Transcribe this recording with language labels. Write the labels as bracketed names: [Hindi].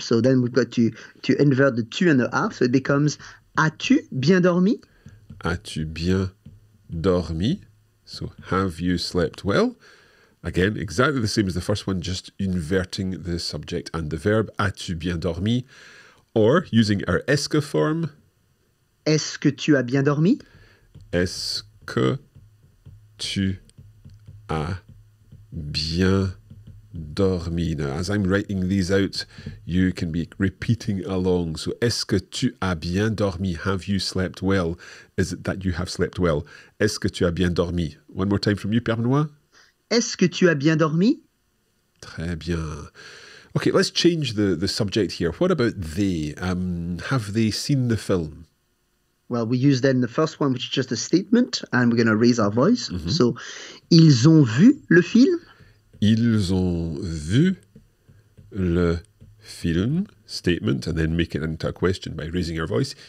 [English] So then we've got to invert the tu and the a. So it becomes, [French] as-tu bien dormi? As-tu bien dormi? [English] So have you slept well? Again, exactly the same as the first one, just inverting the subject and the verb. [French] As-tu bien dormi? [English] Or using our est-ce form. [French] Est-ce que tu as bien dormi? Est-ce que tu as bien dormi. [English] Now, as I'm writing these out, you can be repeating along. So, [French] est-ce que tu as bien dormi? [English] Have you slept well? Is it that you have slept well? [French] Est-ce que tu as bien dormi? [English] One more time from you, Pierre-Benoît. [French] Est-ce que tu as bien dormi? Très bien. [English] Okay, let's change the subject here. What about they? Have they seen the film? Well, we use then the first one, which is just a statement, and we're going to raise our voice. [French] Mm-hmm. So, ils ont vu le film? Ils ont vu le film, [English] statement, and then make it into a question by raising your voice.